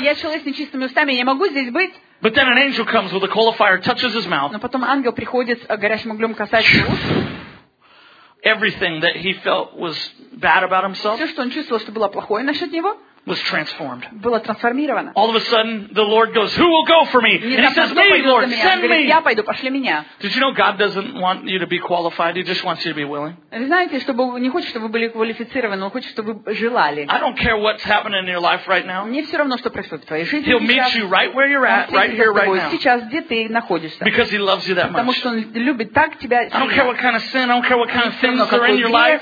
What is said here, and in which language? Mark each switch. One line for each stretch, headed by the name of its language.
Russian: Я человек с нечистыми устами, я не могу здесь быть.
English: But then an angel comes with a coal of fire, touches his mouth.
Russian: Но потом ангел приходит с горящим углем, касается уст.
English: Everything that he felt was bad about himself.
Russian: Все, что он чувствовал, что было плохое насчет него.
English: Was transformed.
Russian: Было трансформировано.
English: All of a sudden, the Lord goes, "Who will go for me?" And he says, "Me, Lord, send me."
Russian: Я пойду, пошли меня.
English: Did you know God doesn't want you to be qualified? He just wants you to be willing.
Russian: Вы знаете, что Бог не хочет, чтобы вы были квалифицированы, он хочет, чтобы вы желали.
English: I don't care what's happening in your life right now.
Russian: Мне все равно, что происходит в твоей жизни.
English: He'll meet you right where you're at, right here, right now.
Russian: Сейчас где ты находишься?
English: Because he loves you that much.
Russian: Потому что он любит так тебя.
English: I don't care what kind of sin, I don't care what kind of things are in your life.